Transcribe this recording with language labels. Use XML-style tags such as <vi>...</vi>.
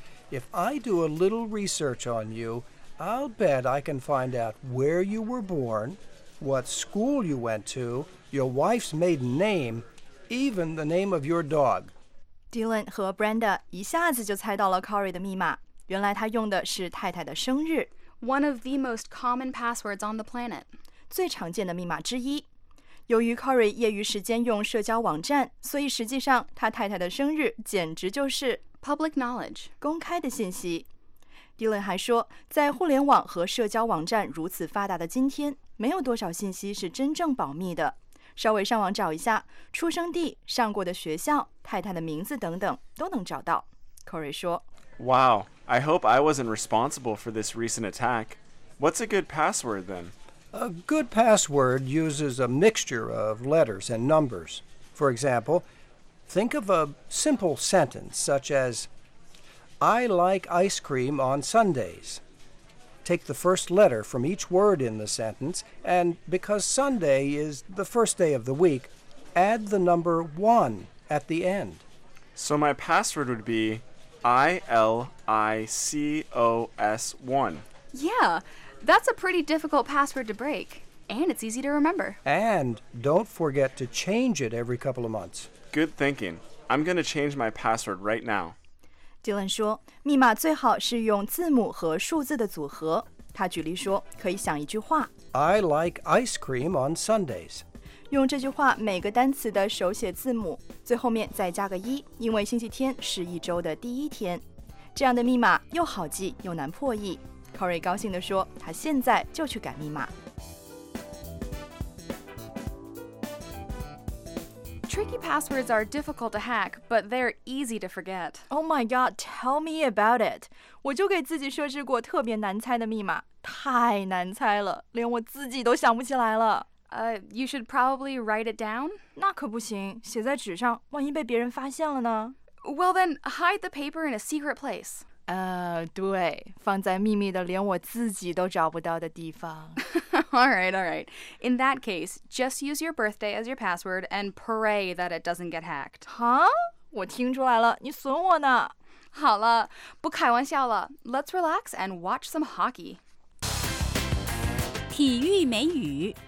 <en>If I do a little research on you, I'll bet I can find out where you were born, what school you went to, your wife's maiden name, even the name of your dog.</en> <zh>Dylan 和 Brenda 一下子就猜到了 Corey 的密码，原来他用的是太太的生日。</zh> <en>One of the most common passwords on the planet.</en> <zh>最常见的密码之一。由于 Corey 业余时间用社交网站，所以实际上他太太的生日简直就是</zh> <en>public knowledge，</en> <zh>公开的信息。 Dylan 还说，在互联网和社交网站如此发达的今天，没有多少信息是真正保密的。稍微上网找一下，出生地、上过的学校、太太的名字等等，都能找到。 Corey 说</zh> <en>，Wow, I hope I wasn't responsible for this recent attack. What's a good password then? A good password uses a mixture of letters and numbers. For example, think of a simple sentence such as, I like ice cream on Sundays. Take the first letter from each word in the sentence, and because Sunday is the first day of the week, add the number 1 at the end. So my password would be ILICOS1. Yeah. That's a pretty difficult password to break, and it's easy to remember. And don't forget to change it every couple of months. Good thinking. I'm going to change my password right now.</en> <zh>Dylan 说，密码最好是用字母和数字的组合。他举例说，可以想一句话。</zh> <en>I like ice cream on Sundays.</en> <zh>用这句话每个单词的手写字母，最后面再加个一，因为星期天是一周的第一天。这样的密码又好记又难破译。 Corey 高兴地说，他现在就去改密码。</zh> <en>Tricky passwords are difficult to hack, but they're easy to forget. Oh my god, tell me about it.</en> <zh>我就给自己设置过特别难猜的密码，太难猜了，连我自己都想不起来了。</zh> <en>You should probably write it down?</en> <zh>那可不行，写在纸上，万一被别人发现了呢？</zh> <en>Well then, hide the paper in a secret place.</en> <zh>对，放在秘密的连我自己都找不到的地方。</zh> <en>All right. In that case, just use your birthday as your password and pray that it doesn't get hacked.</en> <zh>Huh? 我听出来了，你损我呢。好了，不开玩笑了。</zh> <en>Let's relax and watch some hockey.</en> <zh>体育美语。</zh>